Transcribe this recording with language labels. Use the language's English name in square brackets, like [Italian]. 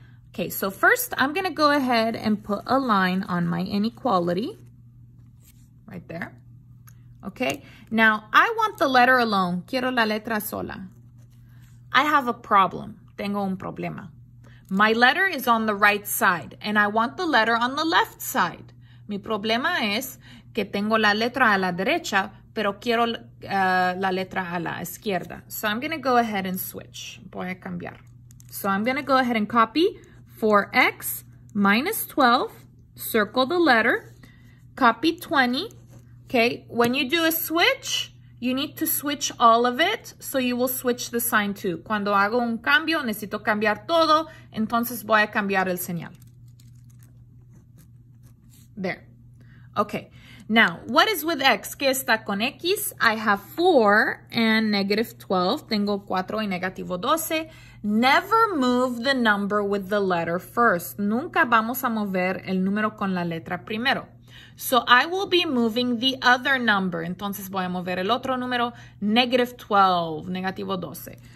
[English] Okay, so first I'm going to go ahead and put a line on my inequality, right there. Okay, now I want the letter alone. [Spanish] Quiero la letra sola. [English] I have a problem. [Spanish] Tengo un problema. [English] My letter is on the right side, and I want the letter on the left side. [Spanish] Mi problema es que tengo la letra a la derecha, pero quiero la letra a la izquierda. [English] So I'm going to go ahead and switch. [Spanish] Voy a cambiar. [English] So I'm going to go ahead and copy 4x minus 12, circle the letter, copy 20. Okay, when you do a switch, you need to switch all of it, so you will switch the sign too. [Spanish] Cuando hago un cambio, necesito cambiar todo, entonces voy a cambiar el señal. [English] There. Okay, now, what is with x? [Spanish] ¿Qué está con x? [English] I have 4 and negative 12. [Spanish] Tengo 4 y negativo 12. [English] Never move the number with the letter first. [Spanish] Nunca vamos a mover el número con la letra primero. [English] So I will be moving the other number. [Spanish] Entonces voy a mover el otro número, [English] negative 12, [Spanish] negativo 12.